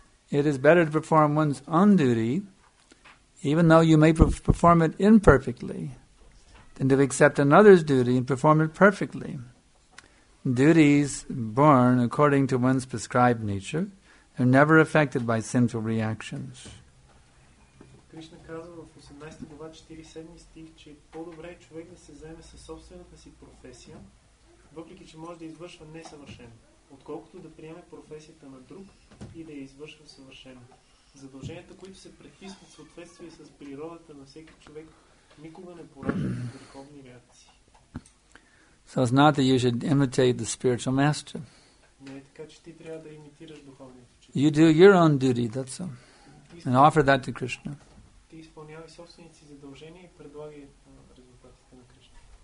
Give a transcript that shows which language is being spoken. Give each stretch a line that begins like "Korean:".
English: It is better to perform one's own duty, even though you may perform it imperfectly, than to accept another's duty and perform it perfectly. Duties born according to one's prescribed nature are never affected by sinful reactions.
Bulgarian: Krishna казва в 18 глава 47 стих, че по-добре е човек да се заеме със собствената си професия, въпреки че може да извършва несъвършено, отколкото да приеме професията на друг и да я извършва съвършено. Задълженията, които се предписват в съответствие с природата на всеки човек, никога не пораждат греховни реакции.
English: So it's not that you should imitate the spiritual master.
Bulgarian: Не е така, че ти трябва да имитираш духовния учител.
English: You do your own duty, that's all. And offer that to Krishna.
Bulgarian: Ти изпълнявай собствените си задължения и предлагай резултатите на Кришна.